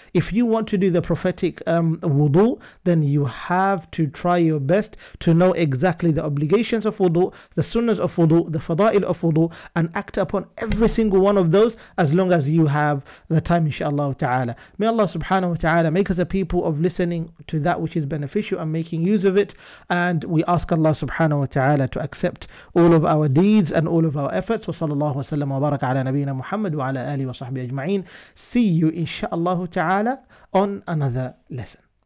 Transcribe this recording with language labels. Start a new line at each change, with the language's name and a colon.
English: If you want to do the prophetic wudu, then you have to try your best to know exactly the obligations of wudu, the sunnahs of wudu, the fada'il of wudu, and act upon every single one of those as long as you have the time, inshallah ta'ala. May Allah subhanahu wa ta'ala make us a people of listening to that which is beneficial and making use of it. And we ask Allah subhanahu wa ta'ala to accept all of our deeds and all of our efforts.
Arabic: وصلى الله وسلم وبارك على نبينا محمد وعلى آله وصحبه أجمعين.
English: See you إن شاء الله تعالى on another lesson.